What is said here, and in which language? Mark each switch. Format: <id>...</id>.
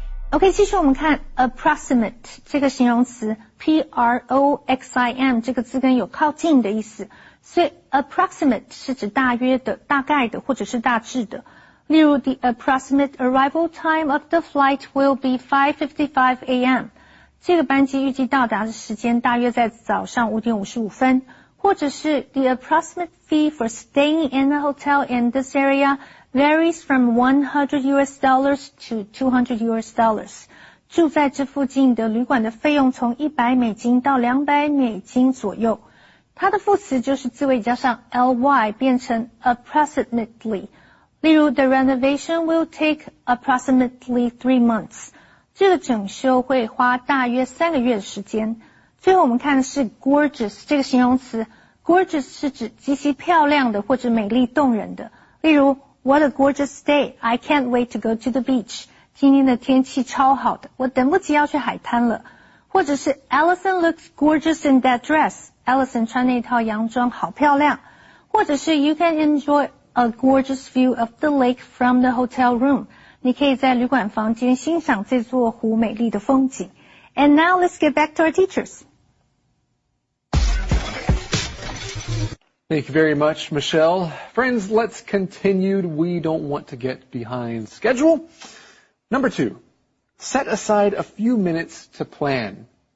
<en>OK,</en> <zh>继续我们看 approximate 这个形容词 P-R-O-X-I-M 这个字根有靠近的意思。所以 approximate 是指大约的、大概的或者是大致的。例如</zh> <en>the approximate arrival time of the flight will be 5:55 a.m.</en> <zh>这个班机预计到达的时间大约在早上5:55。或者是</zh> <en>the approximate fee for staying in a hotel in this area varies from $100 to $200.</en> <zh>住在这附近的旅馆的费用从100美金到200美金左右。它的副词就是字尾加上 ly 变成 approximately。例如</zh> <en>the renovation will take approximately 3 months。</en> <zh>这个整修会花大约三个月的时间。最后我们看的是 gorgeous 这个形容词。Gorgeous 是指极其漂亮的或者美丽动人的。例如</zh> <en>What a gorgeous day. I can't wait to go to the beach.</en> <zh>今天的天气超好的。我等不及要去海滩了。或者是</zh> <en>Allison looks gorgeous in that dress.</en> <zh>Allison 穿那套洋装好漂亮。或者是</zh> <en>You can enjoy a gorgeous view of the lake from the hotel room.</en> <zh>你可以在旅馆房间欣赏这座湖美丽的风景。</zh> <en>And now let's get back to our teachers. Thank you very much, Michelle. Friends, let's continue. We don't want to get behind schedule. Number two, set aside a few minutes to plan.</en>